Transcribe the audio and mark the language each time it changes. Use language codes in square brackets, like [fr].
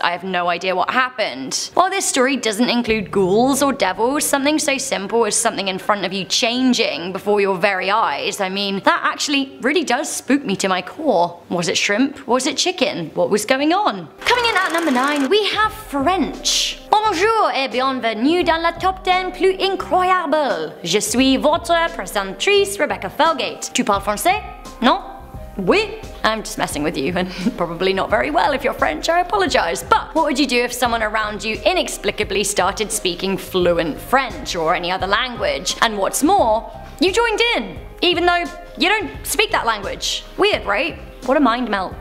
[en] I have no idea what happened. While this story doesn't include ghouls or devils, something so simple as something in front of you changing before your very eyes, I mean, that actually really does spook me to my core. Was it shrimp? Was it chicken? What was going on? Coming in at number 9, we have French. [fr] Bonjour et bienvenue dans la top 10 plus incroyable. Je suis votre présentatrice, Rebecca Felgate. Tu parles français? Non? Oui? [en] I'm just messing with you, and probably not very well if you're French, I apologize. But what would you do if someone around you inexplicably started speaking fluent French or any other language? And what's more, you joined in, even though you don't speak that language. Weird, right? What a mind melt.